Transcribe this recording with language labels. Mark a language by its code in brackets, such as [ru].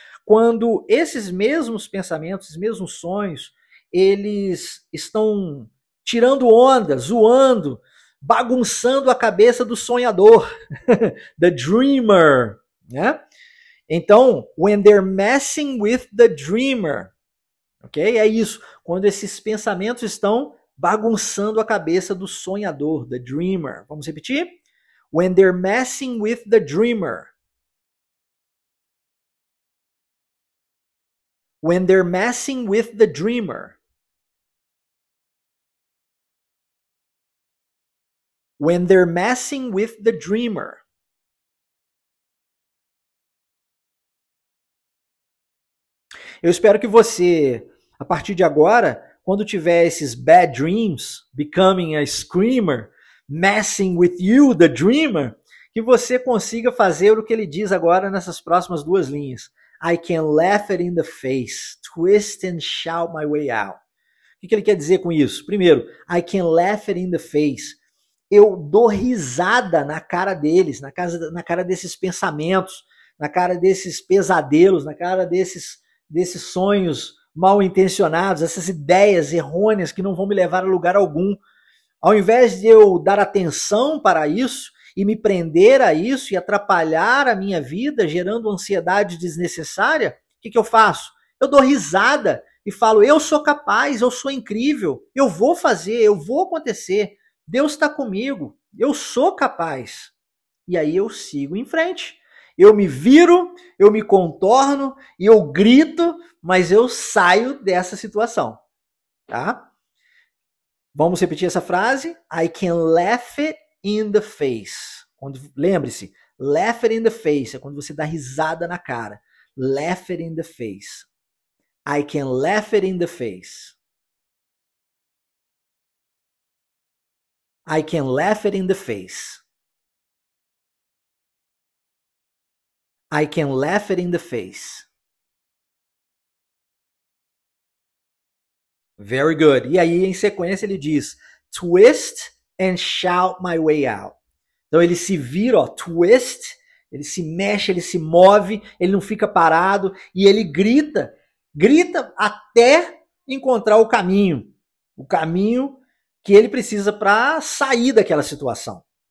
[pt] Quando esses mesmos pensamentos, esses mesmos sonhos, eles estão tirando onda, zoando, bagunçando a cabeça do sonhador, [en] the dreamer, [pt] né? Então, [en] when they're messing with the dreamer, ok? [pt] É isso. Quando esses pensamentos estão bagunçando a cabeça do sonhador, [en] the dreamer. [pt] Vamos repetir? [en] When they're messing with the dreamer. When they're messing with the dreamer. When they're messing with the dreamer. [pt] Eu espero que você, a partir de agora, quando tiver esses [en] bad dreams, becoming a screamer, messing with you, the dreamer, [pt] que você consiga fazer o que ele diz agora nessas próximas duas linhas. [en] I can laugh it in the face, twist and shout my way out. [pt] O que ele quer dizer com isso? Primeiro, [en] I can laugh it in the face. [pt] Eu dou risada na cara deles, na cara desses pensamentos, na cara desses pesadelos, na cara desses sonhos mal intencionados, essas ideias errôneas que não vão me levar a lugar algum. Ao invés de eu dar atenção para isso e me prender a isso e atrapalhar a minha vida, gerando ansiedade desnecessária, o que que eu faço? Eu dou risada e falo: eu sou capaz, eu sou incrível, eu vou fazer, eu vou acontecer, Deus está comigo, eu sou capaz. E aí eu sigo em frente. Eu me viro, eu me contorno e eu grito, mas eu saio dessa situação, tá? Vamos repetir essa frase? [en] I can laugh it in the face. [pt] Lembre-se, [en] laugh it in the face [pt] é quando você dá risada na cara. [en] Laugh it in the face. I can laugh it in the face. I can laugh it in the face. I can laugh it in the face. Very good. [pt] E aí, em sequência, ele diz: [en] twist and shout my way out. [pt] Então, ele se vira, ó, twist, ele se mexe, ele se move, ele não fica parado e ele grita, grita até encontrar o caminho que ele precisa para sair daquela situação.